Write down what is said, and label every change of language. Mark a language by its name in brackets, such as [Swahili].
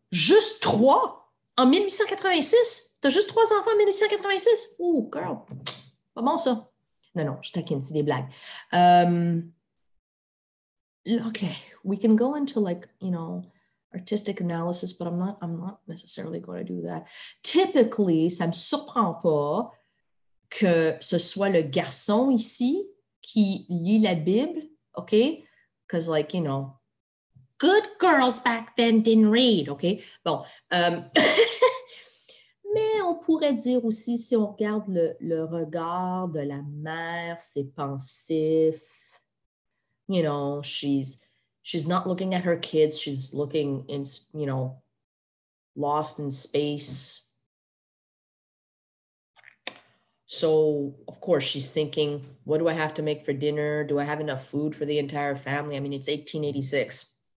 [French] Juste trois en 1886? T'as juste trois enfants en 1886? [English] Oh, girl. [French] Pas bon, ça. Non, je taquine, c'est des blagues. [English] Okay, we can go into like, you know, artistic analysis, but I'm not necessarily going to do that. [French] Typically, ça me surprend pas que ce soit le garçon ici qui lit la Bible, okay? [English] Because like, you know, good girls back then didn't read, okay? [French] Bon, mais on pourrait dire aussi si on regarde le regard de la mère, c'est pensif. [English] You know, she's not looking at her kids. She's looking in, you know, lost in space. So, of course, she's thinking, what do I have to make for dinner? Do I have enough food for the entire family? I mean, it's 1886.